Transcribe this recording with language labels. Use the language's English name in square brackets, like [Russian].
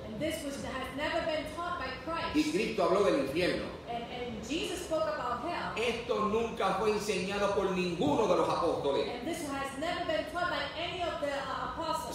[English] And this was, has never been taught by Christ. [Spanish] Y Cristo habló del infierno. [English] And Jesus spoke about hell. [Spanish] Esto nunca fue enseñado por ninguno de los apóstoles. [English] And this has never been taught by any of the apostles.